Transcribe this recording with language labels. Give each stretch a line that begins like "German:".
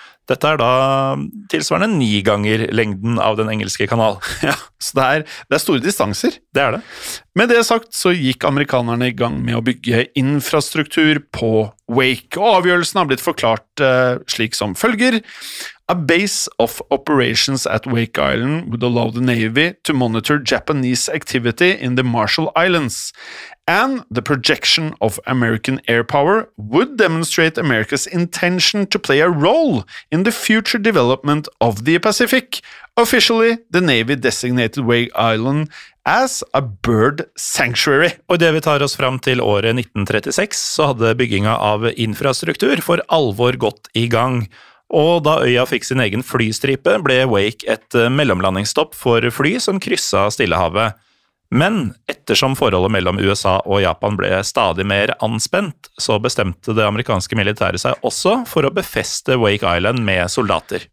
Norwegian: Dette er da tilsvarende 9 ganger lengden av den engelske kanal. Ja, så det er store distanser. Det er det. Med det sagt så gikk amerikanerne i gang med å bygge infrastruktur på Wake, og avgjørelsen har blitt forklart slik som følger.
English: A base of operations at Wake Island would allow the Navy to monitor Japanese activity in the Marshall Islands, and the projection of American air power would demonstrate America's intention to play a role in the future development of the Pacific. Officially, the Navy designated Wake Island as a bird sanctuary.
Norwegian: Og det vi tar oss frem til året 1936, så hadde byggingen av infrastruktur for alvor gått i gang. Og da øya fikk sin egen flystripe, ble Wake et mellomlandingsstopp for fly som krysset Stillehavet. Men ettersom forholdet mellom USA og Japan ble stadig mer anspent, så bestemte det amerikanske militæret seg også for å befeste Wake Island med soldater.